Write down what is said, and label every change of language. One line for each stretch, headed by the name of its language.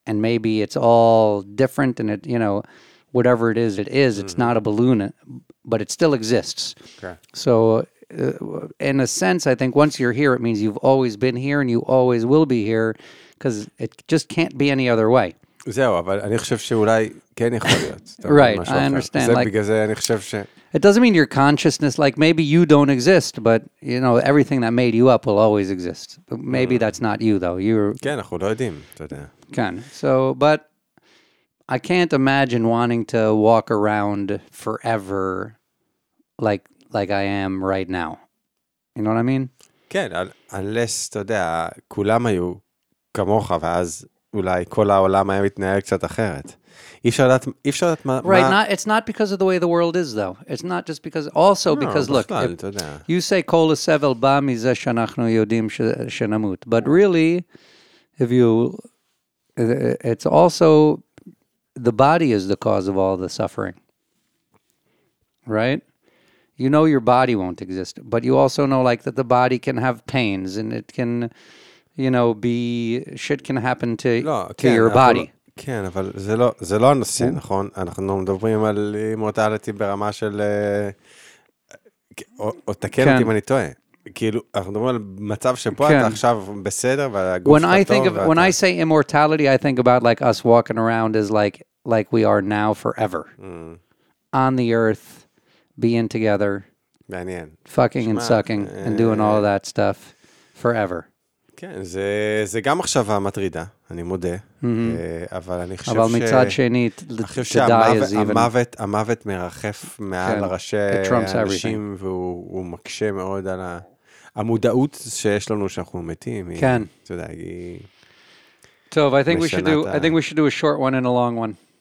English: And maybe it's all different and it, you know, whatever it is, it is. It's not a balloon, but it still exists. Okay. So in a sense, I think once you're here, it means you've always been here and you always will be here because it just can't be any other way.
Hebrew: זהו, אבל אני חושב שאולי כן יכול להיות.
English: Right, I understand.
Hebrew: זה בגלל זה אני חושב ש...
English: It doesn't mean your consciousness, like maybe you don't exist, but you know, everything that made you up will always exist. But maybe that's not you though.
Hebrew: כן, אנחנו לא יודעים, אתה יודע. כן,
English: so, but... I can't imagine wanting to walk around forever like I am right now. You know what I mean?
Hebrew: כן,
English: unless,
Hebrew: אתה יודע, כולם היו כמוך, ואז אולי כל העולם היה מתנהל קצת אחרת. אי אפשר לדעת מה...
English: Right, it's not because of the way the world is, though. It's not just because... Also, no, because, look,
Hebrew: בכלל, אתה יודע.
English: You say
Hebrew: כל הסבל בא מזה שאנחנו יודעים שנמות.
English: But really, if you... It's also... The body is the cause of all the suffering, right? You know your body won't exist, but you also know like that the body can have pains and it can, you know, be, shit can happen to,
Hebrew: לא,
English: to
Hebrew: כן,
English: your body.
Hebrew: לא, כן, אבל זה לא הנושא, נכון? אנחנו מדברים על immortality ברמה של, או תקן אותי אם אני טועה. כאילו, אנחנו מדברים על מצב שפה אתה עכשיו בסדר, והגוף שלך טוב.
English: When I say immortality, I think about like us walking around as like we are now forever. On the earth, being together.
Hebrew: מעניין.
English: Fucking and sucking and doing all of that stuff forever.
Hebrew: כן, זה גם מחשבה מטרידה, אני מודה. אבל אני חושב ש... אבל מצד שני,
English: to die is even...
Hebrew: המוות מרחף מעל ראשי אנשים, והוא מקשה מאוד על ה... המודעות שיש לנו שאנחנו מתים. כן. אתה יודע, היא... טוב,
English: I think we should do a short one and a long one.